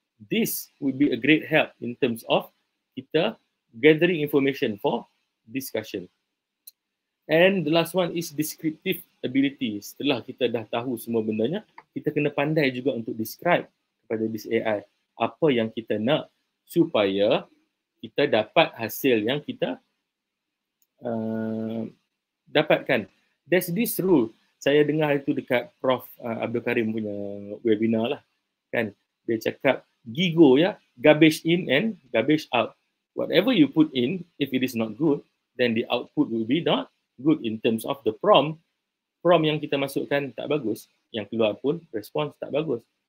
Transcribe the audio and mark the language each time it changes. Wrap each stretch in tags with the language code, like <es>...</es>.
<en>This would be a great help in terms of kita gathering information for discussion. And the last one is descriptive ability.</en> <ms>Setelah kita dah tahu semua bendanya, kita kena pandai juga untuk describe kepada this AI apa yang kita nak supaya kita dapat hasil yang kita dapatkan.</ms> <en>There's this rule.</en> <ms>Saya dengar itu dekat Prof. Abdul Karim punya webinar lah. Kan? Dia cakap GIGO, ya,</ms> <en>garbage in and garbage out. Whatever you put in, if it is not good, then the output will be not good in terms of the prompt.</en> <ms>Prompt yang kita masukkan tak bagus, yang keluar pun response tak bagus.</ms>